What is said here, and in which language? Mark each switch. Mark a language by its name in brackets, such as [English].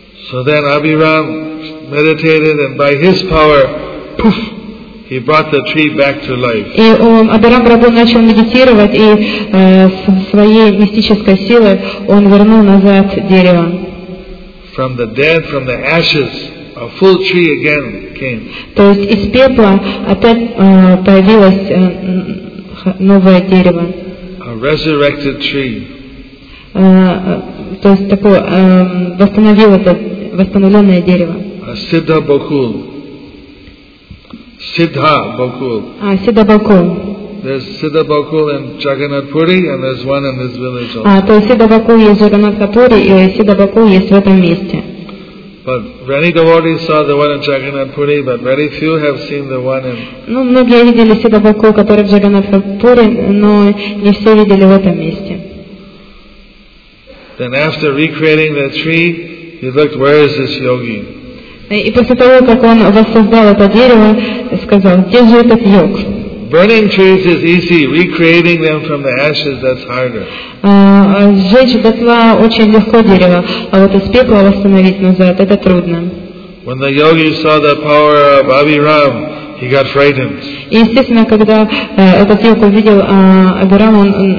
[English] So then Abhiram meditated, and by his power, poof, he brought the tree back to life. [Russian] И Абхирам Прабху начал медитировать, и своей мистической силой он вернул назад дерево. [English] From the dead, from the ashes, a full tree again came. [Russian] То есть из пепла опять появилось новое дерево. [English] A resurrected tree. [Russian] То есть такое восстановил это восстановленное дерево. [English] Siddha Bakul. Siddha Bakul. Siddha Bakul. There's Siddha Bakul in Jagannath Puri, and there's one in this village also. [Russian] То есть Siddha Bakul есть в Jagannathpuri, и Siddha Bakul есть в этом месте. [English] But many devotees saw the one in Jagannath Puri, but very few have seen the one in. [Russian] Ну, многие видели Siddha Bakul, который в Jagannathpuri, но не все видели в этом месте. [English] Then after recreating the tree, he looked, where is this yogi? [Russian] И после того, как он воссоздал это дерево, сказал, где же этот йог? [English] Burning trees is easy, recreating them from the ashes, that's harder. [Russian] Сжечь дотла очень легко дерево, а вот из пепла восстановить назад, это трудно. [English] When the yogi saw the power of Abhiram, he got frightened. [Russian] И естественно, когда этот йог увидел Абхирам, он